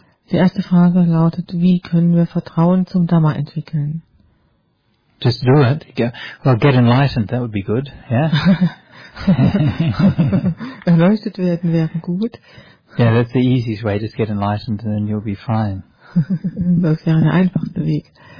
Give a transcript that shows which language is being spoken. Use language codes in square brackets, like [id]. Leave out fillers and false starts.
[de] Die erste Frage lautet, wie können wir Vertrauen zum Dhamma entwickeln? [en] Just do it. Well, get enlightened, that would be good, yeah? [de] Erleuchtet werden wäre gut. [en] Yeah, that's the easiest way, just get enlightened and then you'll be fine. [de] Das wäre ein einfacher Weg.